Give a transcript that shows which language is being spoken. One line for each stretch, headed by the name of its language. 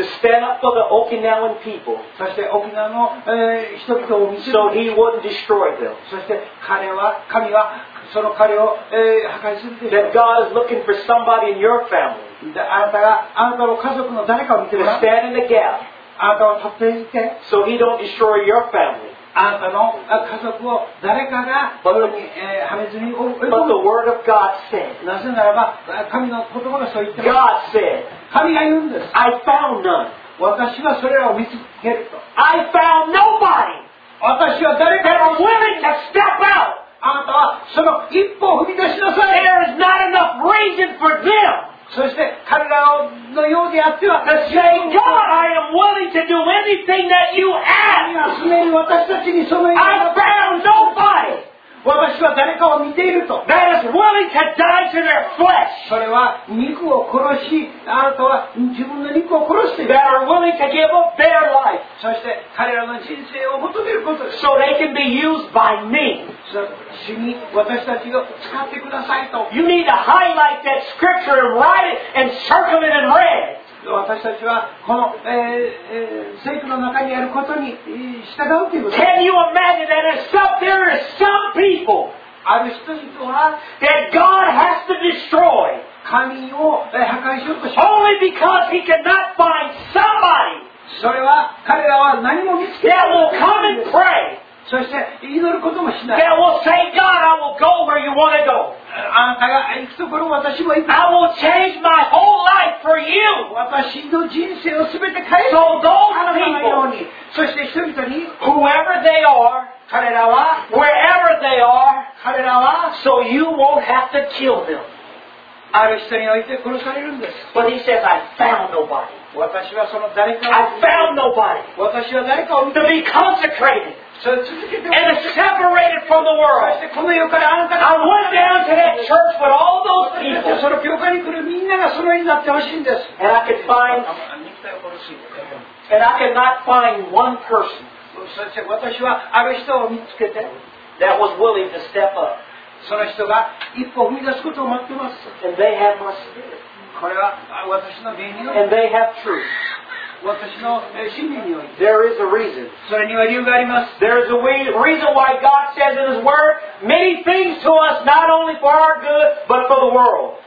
English: To stand up for the Okinawan people.
Japanese: そして沖縄の、人々を見て
English: る。So he wouldn't destroy them.
Japanese: そして神はその彼を、破壊するでしょう。
English: That God is looking for somebody in your family.
Japanese: あなたの家族の誰かを見てます。
English: To stand in the gap.
Japanese: あなたを立っていて。
English: So he don't destroy your family.
Japanese: あなたの家族を誰かが破滅に追い込む。なぜならば神の言葉がそう言って
English: ます。God said,
Japanese: 神が言うんです。
English: I found none.
Japanese: 私はそれらを見つけると。
English: I found nobody.
Japanese: 私は誰か
English: が willing to step out.
Japanese: あなたはその一歩踏み出しなさい。
English: There is not enough reason for them.
Japanese: そして彼らのようであっては
English: The same God I am willing to do anything that you ask I found nobody
Japanese: 私は誰かを見ていると
English: That is willing to die to their flesh
Japanese: それは肉を殺しあなたは自分の肉を殺している
English: That are willing to give up their life
Japanese: そして彼らの人生を求めること
English: So they can be used by me
Japanese: 主に私たちを使ってくださいと
English: You need to highlight that scripture and write it and circle it in red
Japanese: 私たちはこの、聖句の中にあることに従うということ
English: Can you imagine that there are some people
Japanese: ある人々は
English: that God has to destroy
Japanese: 神を破壊しようと
English: して Only because he cannot find somebody
Japanese: それは彼らは何も見つけ
English: ない that will come and pray
Japanese: そして祈ることもしない。
English: They will say, God, I will go where you want to go.
Japanese: あなたが行くところ私も行く。
English: I will change my whole life for you.
Japanese: 私の人生をすべて変える。
English: So those people,
Japanese: そして人々に、
English: whoever they are,
Japanese: 彼らは、
English: wherever they are,
Japanese: 彼らは、
English: so you won't have to kill them.
Japanese: ある人において殺されるんです。
English: But he says, I found nobody.
Japanese: 私はその誰かを。
English: I found nobody.
Japanese: 私は誰かを。
English: To be consecrated. And separated from the world. I went down to that church with all those people.
Japanese: その教会に来るみんながその絵になってほしいんです。
English: And I could find, and I could not find one person.
Japanese: そして私はある人を見つけて、
English: that was willing to step up.
Japanese: その人が一歩踏み出すことを待ってます。
English: And they have my spirit.
Japanese: これは私の原因。
English: And they have truth. There is a reason.
Japanese: それには理由があります。
English: There is a reason why God says in His Word many things to us, not only for our good, but for the world.